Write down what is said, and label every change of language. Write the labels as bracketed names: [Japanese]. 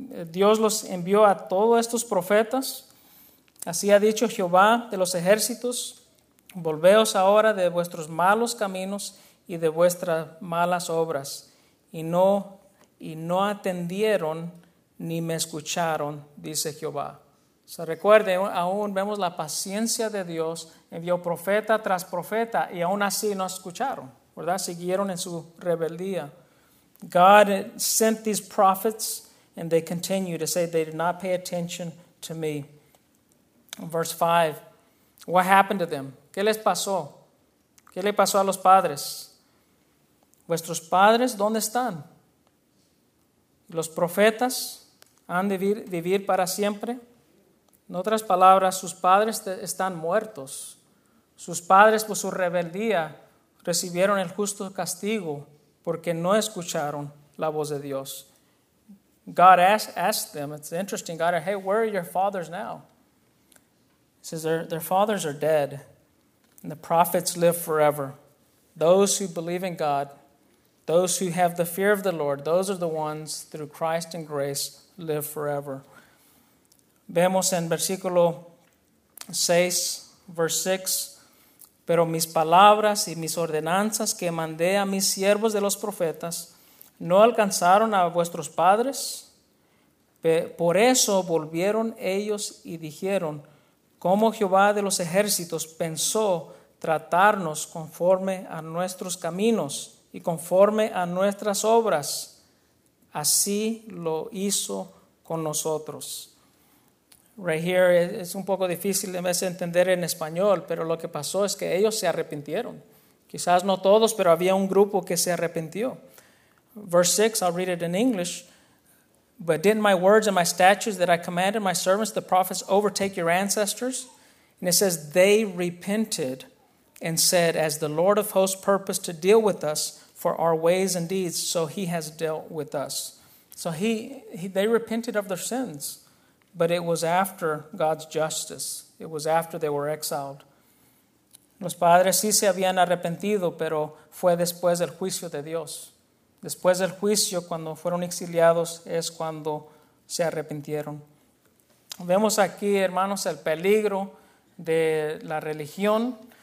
[Spanish] Dios los envió a todos estos profetas. Así ha dicho Jehová de los ejércitos: volveos ahora de vuestros malos caminos y de vuestras malas obras. Y no atendieron ni me escucharon, dice Jehová. O sea, recuerde, aún vemos la paciencia de Dios. Envió profeta tras profeta y aún así no escucharon, ¿verdad? Siguieron en su rebeldía. [English] God sent these prophets and they continue to say they did not pay attention to me. Verse 5. What happened to them? [Spanish] ¿Qué les pasó? ¿Qué le pasó a los padres? ¿Vuestros padres dónde están? ¿Los profetas han de vivir para siempre? En otras palabras, sus padres están muertos. Sus padres, por su rebeldía, recibieron el justo castigo porque no escucharon la voz de Dios. [English] God asked them, it's interesting, God, hey, where are your fathers now? He says, their fathers are dead, and the prophets live forever. Those who believe in God, those who have the fear of the Lord, those are the ones, through Christ and grace, live forever. [Spanish] Vemos en versículo 6, [English] verse 6, [Spanish] pero mis palabras y mis ordenanzas que mandé a mis siervos de los profetas no alcanzaron a vuestros padres. Por eso volvieron ellos y dijeron, ¿cómo Jehová de los ejércitos pensó tratarnos conforme a nuestros caminos y conforme a nuestras obras? Así lo hizo con nosotros. [English] Right here, [Spanish] es un poco difícil de entender en español, pero lo que pasó es que ellos se arrepintieron. Quizás no todos, pero había un grupo que se arrepintió. [English] Verse 6, I'll read it in English. But didn't my words and my statutes that I commanded my servants, the prophets, overtake your ancestors? And it says, they repented and said, as the Lord of hosts purposed to deal with us for our ways and deeds, so he has dealt with us. So they repented of their sins. But it was after God's justice. It was after they were exiled. [Spanish] Los padres sí se habían arrepentido, pero fue después del juicio de Dios. Después del juicio, cuando fueron exiliados, es cuando se arrepintieron. Vemos aquí, hermanos, el peligro de la religión.